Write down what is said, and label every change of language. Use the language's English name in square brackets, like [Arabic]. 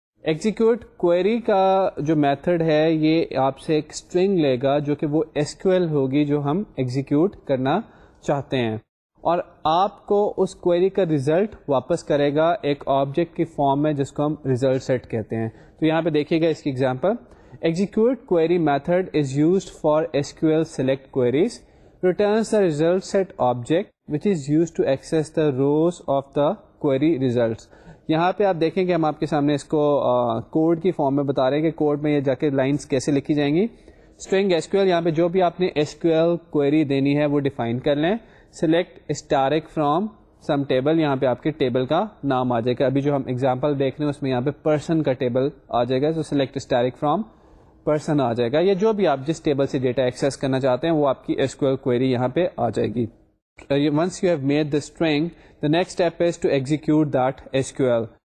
[Urdu] Execute query کا جو method ہے یہ آپ سے ایک اسٹرنگ لے گا جو کہ وہ ایس کیو ایل ہوگی جو ہم ایگزیکیوٹ کرنا چاہتے ہیں, اور آپ کو اس کوئری کا ریزلٹ واپس کرے گا ایک آبجیکٹ کی فارم میں جس کو ہم ریزلٹ سیٹ کہتے ہیں. تو یہاں پہ دیکھیے گا اس کی example, [English] Execute query method is used for S Q L select queries returns the result set object which is used to access the rows of the query results. [Urdu] یہاں پہ آپ دیکھیں کہ ہم آپ کے سامنے اس کو کوڈ کی فارم میں بتا رہے ہیں کہ کوڈ میں یہ جا کے لائنس کیسے لکھی جائیں گی. اسٹرنگ ایس کیو ایل, یہاں پہ جو بھی آپ نے ایس کیو ایل کوئری دینی ہے وہ ڈیفائن کر لیں. [English] select star from some table, [Urdu] یہاں پہ آپ کے ٹیبل کا نام آ جائے گا. ابھی جو ہم اگزامپل دیکھ رہے ہیں اس میں یہاں پہ پرسن کا ٹیبل آ جائے گا, تو سلیکٹ اسٹارک فرام پرسن آ جائے گا, یا جو بھی آپ جس ٹیبل سے ڈیٹا ایکسیس کرنا چاہتے ہیں وہ آپ کی ایس کیو ایل کوئری یہاں پہ آ جائے گی. [English] Once you have made the string, the next step is to execute that SQL.